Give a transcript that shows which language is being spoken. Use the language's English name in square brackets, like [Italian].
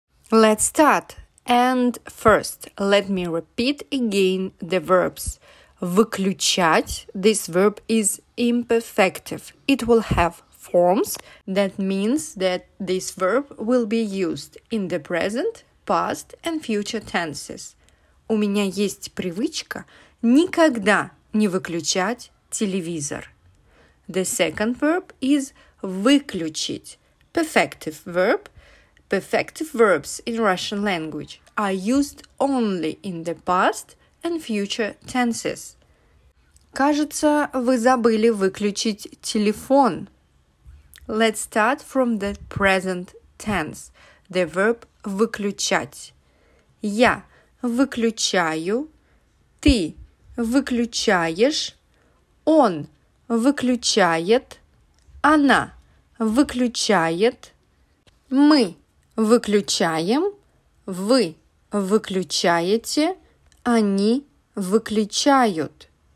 [English] Let's start. And first, let me repeat again the verbs. Выключать, this verb is imperfective. It will have forms. That means that this verb will be used in the present, past and future tenses. [Russian] У меня есть привычка никогда не выключать телевизор. [English] The second verb is выключить, perfective verb. Perfective verbs in Russian language are used only in the past and future tenses. [Russian] Кажется, вы забыли выключить телефон. [English] Let's start from the present tense, the verb выключать. [Russian] Я выключаю, ты выключаешь, он выключает, она выключает, мы выключаем, вы выключаете, они выключают.